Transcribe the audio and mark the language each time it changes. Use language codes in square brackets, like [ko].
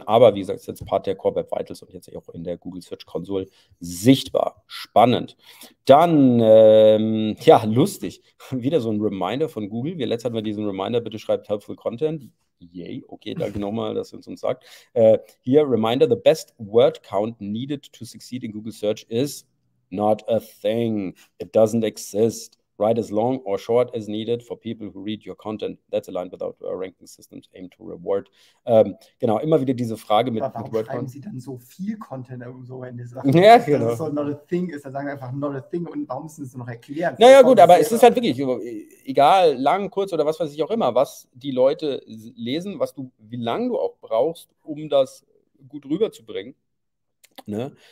[de] Aber wie gesagt, ist jetzt Part der Core Web Vitals und jetzt auch in der Google Search Console sichtbar. Spannend. Dann, lustig. Wieder so ein Reminder von Google. Letztes hatten wir diesen Reminder, bitte schreibt helpful content. Yay, okay, danke nochmal, dass ihr es uns sagt. [en] Hier, Reminder, the best word count needed to succeed in Google Search is not a thing. It doesn't exist. Write as long or short as needed for people who read your content. That's aligned with our ranking systems aim to reward. [de] Genau, immer wieder diese Frage mit [en] WordCon. [de] Warum schreiben sie dann so viel Content so in der Sache? Ja, genau. Das ist so [en] not a thing, [de] ist da sagen wir einfach not a thing und warum müssen sie es noch erklären? Naja, gut, aber es ist halt wirklich, egal, lang, kurz oder was weiß ich auch immer, was die Leute lesen, wie lange du auch brauchst, um das gut rüberzubringen. Ne?